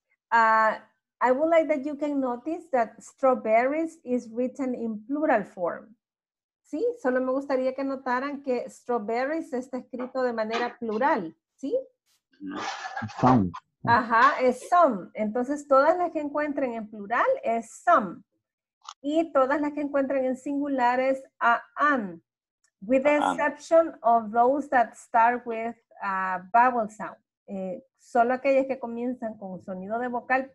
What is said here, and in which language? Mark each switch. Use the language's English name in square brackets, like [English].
[English] I would like that you can notice that strawberries is written in plural form. [Spanish] ¿Sí? Solo me gustaría que notaran que strawberries está escrito de manera plural. ¿Sí? [English] Some, [Spanish] Ajá, es some. Entonces, todas las que encuentren en plural es some. Y todas las que encuentren en singular es a an. [English] With the exception of those that start with a vowel sound. [Spanish] Solo aquellas que comienzan con sonido de vocal.